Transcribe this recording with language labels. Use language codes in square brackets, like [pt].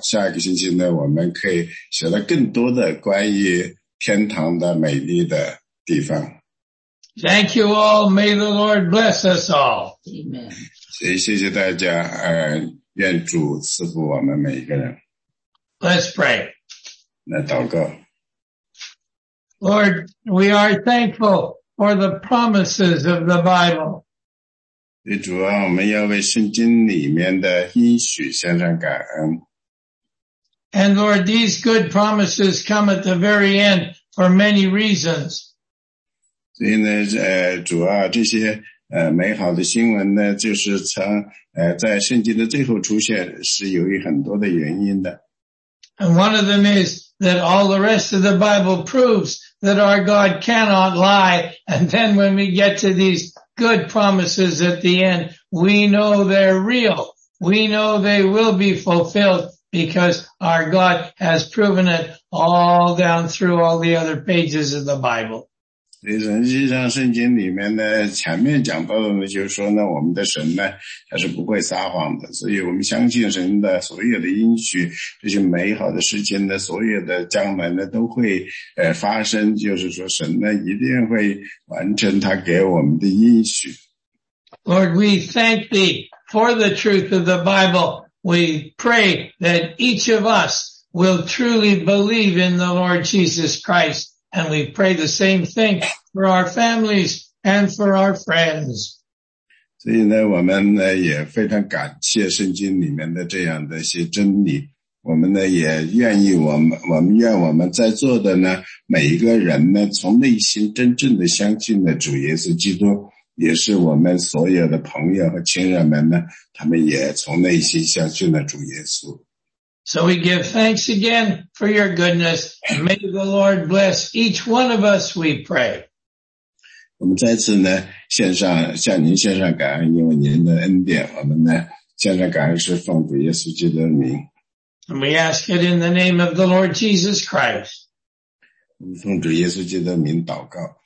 [zh] 下一个星期呢，我们可以学到更多的关于天堂的美丽的地方。 [en] Thank you all. May the Lord bless us all. Amen. [zh] 谢谢大家，愿主赐福我们每一个人。 [en] Let's pray. [zh] 来祷告。 [en] Lord, we are thankful for the promises of the Bible. [zh] 对主啊，我们要为圣经里面的应许献上感恩。 [en] And Lord, these good promises come at the very end for many reasons. [zh] 所以呢，主啊，这些美好的新闻呢，就是从在圣经的最后出现，是由于很多的原因的。 [en] And one of them is that all the rest of the Bible proves that our God cannot lie. And then when we get to these good promises at the end, we know they're real. We know they will be fulfilled because our God has proven it all down through all the other pages of the Bible. [zh] 实际上圣经里面呢，前面讲到的呢，就是说呢，我们的神呢，他是不会撒谎的，所以我们相信神的所有的应许，这些美好的事情呢，所有的将来呢，都会发生，就是说神呢，一定会完成他给我们的应许。 [en] Lord, we thank thee for the truth of the Bible. We pray that each of us will truly believe in the Lord Jesus Christ. And we pray the same thing for our families and for our friends. [zh] 所以呢，我们呢也非常感谢圣经里面的这样的一些真理。我们呢也愿意，我们在座的呢每一个人呢，从内心真正的相信的主耶稣基督，也是我们所有的朋友和亲人们呢，他们也从内心相信了主耶稣。 [en] So we give thanks again for your goodness. May the Lord bless each one of us, we pray. [zh] 我们再次呢献上向您献上感恩，因为您的恩典，我们呢献上感恩是奉主耶稣基督的名。 [en] And we ask it in the name of the Lord Jesus Christ. [zh] 我们奉主耶稣基督的名祷告。